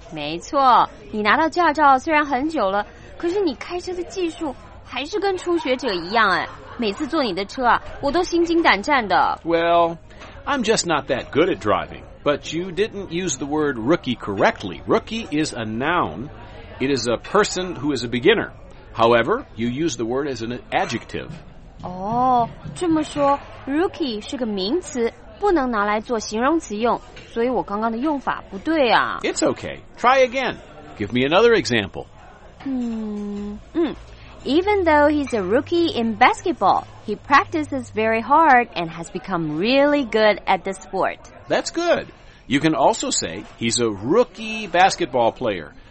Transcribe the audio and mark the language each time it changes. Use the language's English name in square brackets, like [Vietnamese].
[Chinese] 没错，你拿到驾照虽然很久了，可是你开车的技术还是跟初学者一样哎。每次坐你的车啊，我都心惊胆战的。 [English] Well, I'm just not that good at driving. But you didn't use the word rookie correctly. Rookie is a noun. It is a person who is a beginner. However, you use the word as an adjective. [Chinese] 哦，这么说 ,rookie 是个名词，不能拿来做形容词用，所以我刚刚的用法不对啊。 [English] It's okay. Try again. Give me another example. Even though he's a rookie in basketball, he practices very hard and has become really good at the sport. That's good. You can also say he's a rookie basketball player.